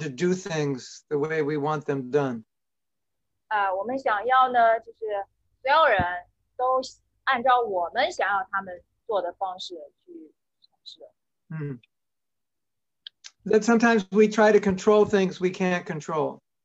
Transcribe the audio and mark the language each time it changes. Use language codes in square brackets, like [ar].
[en] to do things the way we want them done. [zh] 我们想要呢，就是所有人都按照我们想要他们做的方式去从事。 [en] That sometimes we try to control things we can't control.